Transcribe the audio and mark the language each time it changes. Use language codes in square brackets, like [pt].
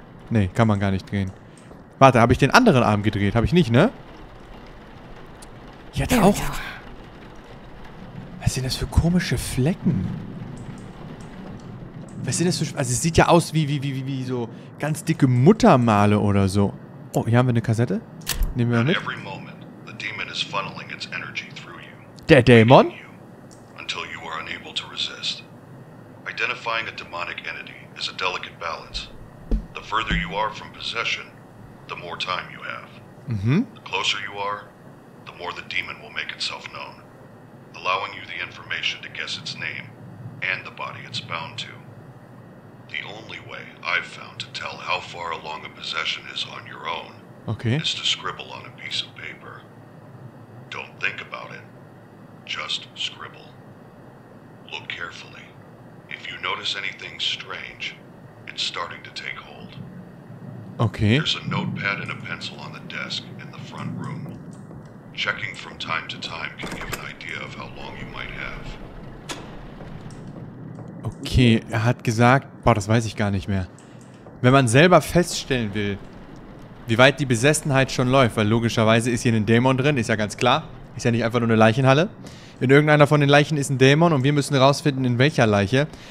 [de] Nee, kann man gar nicht drehen. Warte, habe ich den anderen Arm gedreht? Habe ich nicht, ne? Ja, der auch. Was sind das für komische Flecken? Was sind das für... Also es sieht ja aus wie so ganz dicke Muttermale oder so. Oh, hier haben wir eine Kassette. Nehmen wir mit. [en] Moment, the demon is funneling its energy through you. [de] Der Dämon? [en] Until you are unable to resist. Identifying a demonic entity is a delicate balance. The further you are from possession, the more time you have. Mhm. The closer you are, the more the demon will make itself known, allowing you the information to guess its name and the body it's bound to. The only way I've found to tell how far along a possession is on your own, okay, is to scribble on a piece of paper. Don't think about it. Just scribble. Look carefully. If you notice anything strange, it's starting to take hold. Okay. There's a notepad and a pencil on the desk in the front room. Checking from time to time can give an idea of how long you might have. [de] Okay, er hat gesagt, boah, das weiß ich gar nicht mehr. Wenn man selber feststellen will, wie weit die Besessenheit schon läuft, weil logischerweise ist hier ein Dämon drin, ist ja ganz klar, ist ja nicht einfach nur eine Leichenhalle. In irgendeiner von den Leichen ist ein Dämon und wir müssen rausfinden, in welcher Leiche.